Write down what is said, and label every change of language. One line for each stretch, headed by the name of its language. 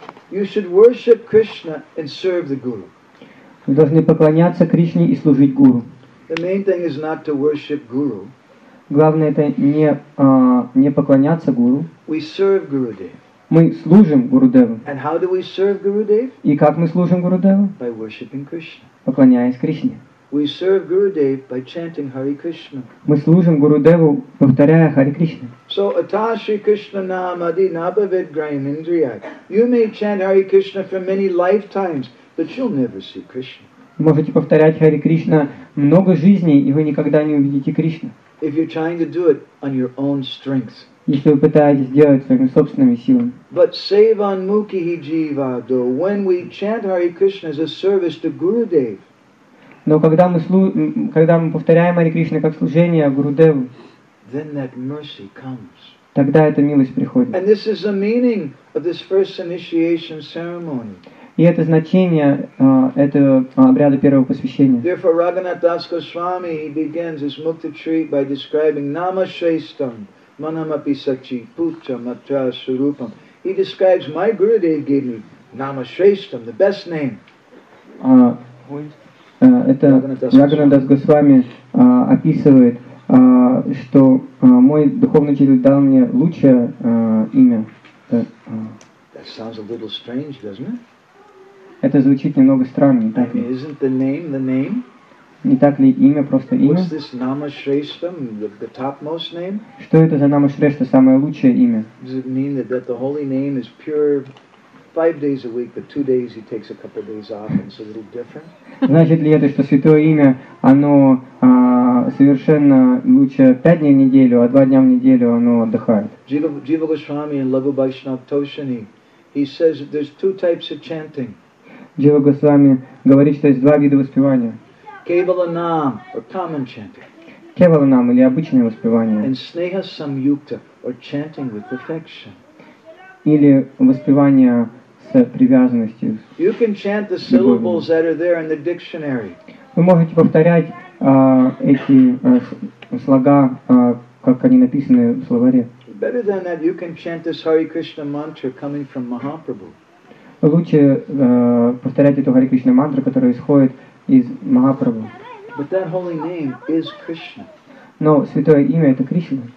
English: You should worship Krishna and serve the Guru.
Russian: Вы должны поклоняться Кришне и служить Гуру.
English: The main thing is not to worship guru.
Russian: Главное это не поклоняться гуру.
English: We serve Gurudev.
Russian: Мы служим Гурудеву.
English: And how do we serve Gurudev?
Russian: И как мы служим Гурудеву?
English: By worshiping Krishna.
Russian: Поклоняясь Кришне.
English: We serve Gurudev by chanting Hare Krishna.
Russian: Мы служим Гурудеву, повторяя Hare Krishna.
Sanskrit: So Atashri Krishna Namadi Nabhavid Grain Indriyak.
English: You may chant Hare Krishna for many lifetimes, but you'll never see Krishna.
Russian: Можете повторять Hare Krishna много жизней, и вы никогда не увидите Кришну.
English: If you're trying to do it on your own strength.
Russian: Если вы пытаетесь делать своими собственными силами.
English: But
Sanskrit: Sevan Mukhi Jivado,
English: when we chant Hare Krishna as a service to Gurudev.
Russian: Но когда мы повторяем Hare Krishna как служение Гурудеву,
English: then that mercy comes.
Russian: Тогда эта милость приходит.
English: And this is the meaning of this first initiation ceremony.
Russian: И это значение этого обряда первого посвящения.
English: Therefore, Raghunath Das Goswami begins his Mukta Treatise by describing Nama Shrestham.
Sanskrit: Manamapi sachi putra matra surupam.
English: He describes my Gurudev gave me Nama Shrestham, the best name.
Russian: Это Раганат Дас Госвами описывает, что мой духовный учитель дал мне лучшее имя.
English: That sounds a little strange, doesn't it?
Russian: Это звучит немного странно, не так ли?
English: I mean, isn't the name the name?
Russian: Не так ли имя просто имя?
English: What's this Nama Shrestham, the topmost name?
Russian: Что это за Нама Шрешта, самое лучшее имя?
English: Does it mean that the holy name is pure 5 days a week, but 2 days he takes a couple of days off, and it's a little different?
Russian: Значит ли это, что святое имя, оно совершенно лучше 5 дней в неделю, а 2 дня в неделю оно отдыхает?
English: Jiva Goswami in Lagu Bhaishnav Toshani, he says that there's two types of chanting.
Russian: Jiva Goswami говорит, что есть два вида воспевания.
English: Kevala Nam, or common chanting.
Russian: Kevala Nam, или обычное воспевание.
English: And Sneha Samyukta, or chanting with affection.
Russian: Или воспевание с привязанностью.
English: You can chant the syllables that are there in the dictionary.
Russian: Вы можете повторять эти слога, как они написаны в словаре.
English: Better than that, you can chant this Hare Krishna mantra coming from Mahaprabhu.
Russian: Лучше повторять эту Hare Krishna мантру, которая исходит из Махапрабху.
English: But that holy name is Krishna.
Russian: Но святое имя это Кришна.